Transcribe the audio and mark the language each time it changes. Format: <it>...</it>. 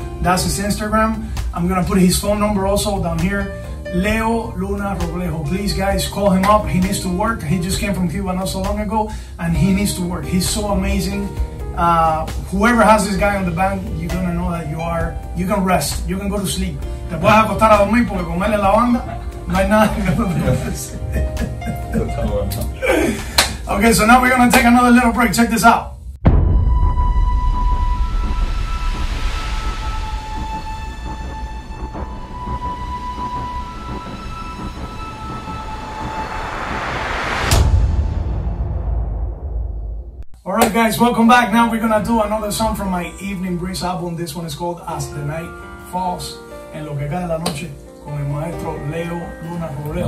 <en>That's his Instagram. I'm gonna put his phone number also down here. Leo Luna Roblejo. Please, guys, call him up. He needs to work. He just came from Cuba not so long ago, and he needs to work. He's so amazing. Whoever has this guy on the band, you're gonna know that you are. You can rest. You can go to sleep.</en> <es>Te puedes acostar a dormir porque con él en la banda no hay nada que no puedes.</es> <en>Okay, so now we're gonna take another little break. Check this out. Guys, welcome back. Now we're gonna do another song from my Evening Breeze album. This one is called As the Night Falls.</en> <es>En lo que cae la noche, con el maestro Leo Luna Roblejo.</es>